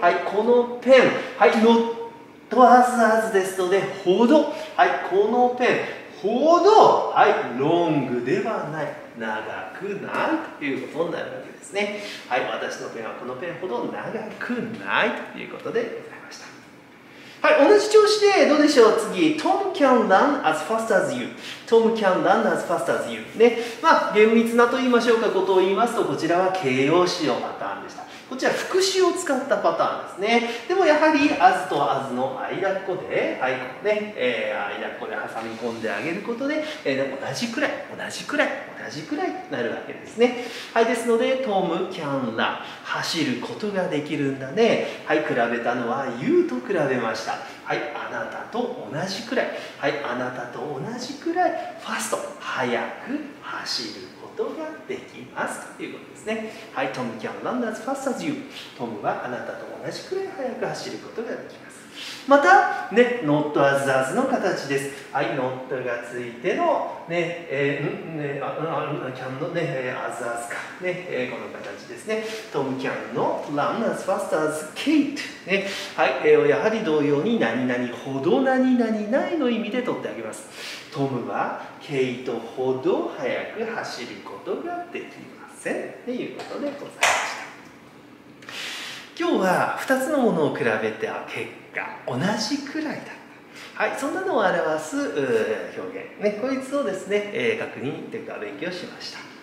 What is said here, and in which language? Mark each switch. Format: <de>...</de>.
<ja>はい、このペン、はい、not as as ですので、ほど、はい、このペン、ほど、はい、ロングではない、長くないということになるわけですね。はい、私のペンはこのペンほど長くないということでございました。はい、同じ調子でどうでしょう。</ja> <en>次、Tom can run as fast as you。 Tom can run as fast as you</en> <ja>ね、まあ厳密なと言いましょうか、ことを言いますと、こちらは形容詞のパターンでした。こちら副詞を使ったパターンですね。でもやはり as と as の間っこで、はい、ね、間っこで挟み込んであげることで、同じくらい、同じくらい、同じくらいになるわけですね。はい、ですので</ja> <en>Tom can run、</en> <ja>走ることができるんだね。はい、比べたのは you と比べました。はい、あなたと同じくらい、はい、あなたと同じくらいファスト、早く走ることができますということですね。はい、</ja> <en>Tom can run as fast as you。</en> <ja>Tom はあなたと同じくらい早く走ることができます。またね、not as as の形です。I not がついてのね、can のね、as as かね、この形ですね。</ja> <en>Tom can not run as fast as Kate ね。</en> <ja>はい、やはり同様に何々ほど何々ないの意味で取ってあげます。 Tom は Kate ほど速く走ることができませんということでございました。今日は2つのものを比べて結果同じくらいだった、はい、そんなのを表す表現、ね、こいつをですね、確認というか勉強しました。</ja>